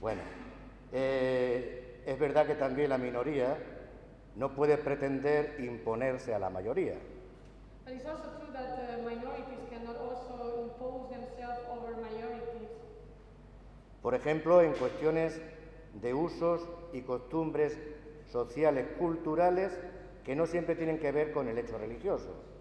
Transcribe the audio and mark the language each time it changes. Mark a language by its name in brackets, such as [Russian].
[Spanish] Bueno, es verdad que también la minoría no puede pretender imponerse a la mayoría. [English] But it's also true that minorities cannot also impose themselves over majorities. [Spanish] Por ejemplo, en cuestiones de usos y costumbres sociales, culturales, que no siempre tienen que ver con el hecho religioso.